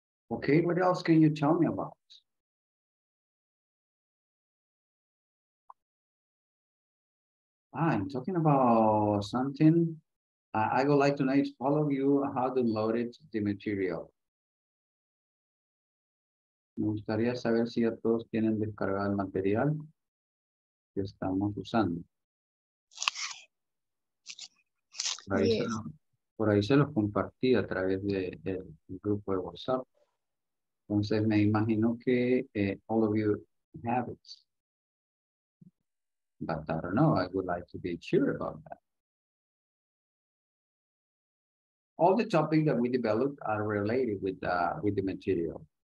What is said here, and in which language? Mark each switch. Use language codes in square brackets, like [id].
[en] Okay, what else can you tell me about? I'm talking about something. I would like to know if all of you have downloaded the material. [es] Me gustaría saber si a todos tienen descargado el material que estamos usando. Por ahí se los compartí a través del grupo de WhatsApp. Entonces me imagino que [en] all of you have it. But I don't know, I would like to be sure about that. All the topics that we developed are related with the material.